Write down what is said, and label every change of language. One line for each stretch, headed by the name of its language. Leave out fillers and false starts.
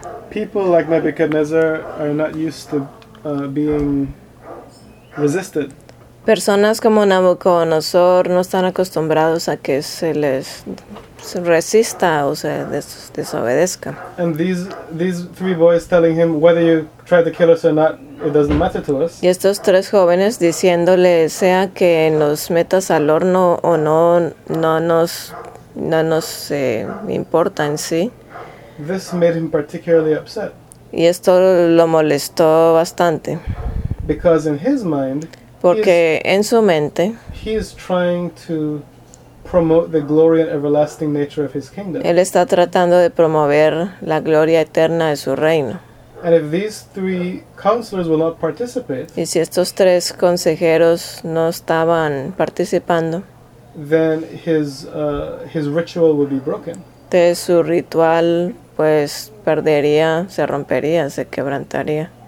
English: People like Nebuchadnezzar are not used to being resisted.
Spanish: Personas como Nabucodonosor no están acostumbrados a que se les resista o se desobedezca.
English: And these three boys telling him whether you try to kill us or not, it doesn't matter to us.
Spanish: Y estos tres jóvenes diciéndole sea que nos metas al horno o no, no nos importa en sí.
English: This made him particularly upset.
Spanish: Y esto lo molestó bastante.
English: Because in his mind,
Spanish: porque en su mente,
English: he is trying to promote the glory and everlasting nature of his kingdom.
Spanish: Él está tratando de promover la gloria eterna de su reino.
English: And if these three counselors will not participate,
Spanish: y si estos tres consejeros no estaban participando,
English: then his ritual would be broken.
Spanish: Entonces su ritual pues perdería, se rompería, se quebrantaría.